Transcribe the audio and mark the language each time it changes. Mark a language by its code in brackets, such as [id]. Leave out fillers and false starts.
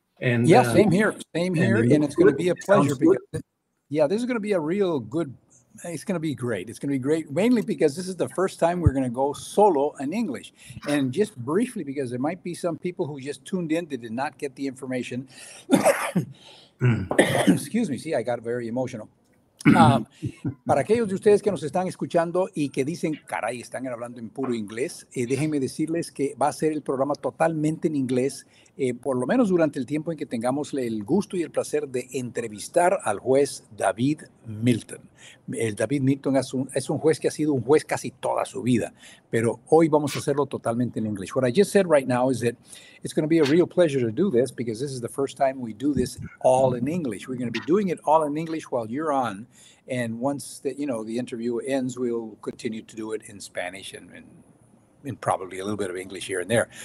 [en] And yeah, same here. And it's going to be a pleasure. This is going to be a real good, it's going to be great. It's going to be great, mainly because this is the first time we're going to go solo in English. And just briefly, because there might be some people who just tuned in that did not get the information. Excuse me. See, I got very emotional. [es] Para aquellos de ustedes que nos están escuchando y que dicen, caray, están hablando en puro inglés, déjenme decirles que va a ser el programa totalmente en inglés, por lo menos durante el tiempo en que tengamos el gusto y el placer de entrevistar al juez David Milton. El David Milton es un juez que ha sido un juez casi toda su vida, pero hoy vamos a hacerlo totalmente en inglés. [en] What I just said right now is that it's going to be a real pleasure to do this because this is the first time we do this all in English. We're going to be doing it all in English while you're on. And once the interview ends, we'll continue to do it in Spanish and probably a little bit of English here and there.